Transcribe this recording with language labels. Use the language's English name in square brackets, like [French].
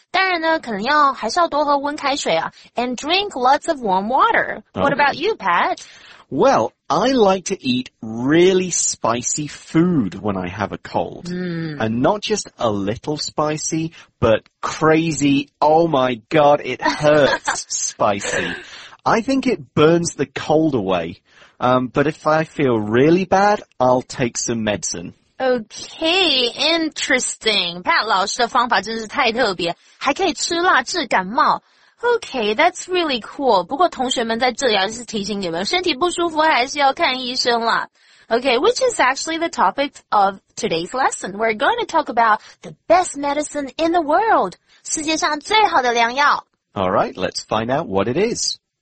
[Chinese] 当然呢，可能要还是要多喝温开水啊。 [English] And drink lots of warm water. What about you, Pat? Well, I like to eat really spicy food when I have a cold. And not just a little spicy, but crazy, oh my god, it hurts spicy. I think it burns the cold away. But if I feel really bad, I'll take some medicine. Okay, interesting. [Chinese] Pat 老师的方法真是太特别，还可以吃辣治感冒。 [English] Okay, that's really cool. [Chinese] 不过同学们在这里还是提醒你们，身体不舒服还是要看医生啦。 [English] Okay, which is actually the topic of today's lesson. We're going to talk about the best medicine in the world. [Chinese] 世界上最好的良药。 [English] Alright, let's find out what it is.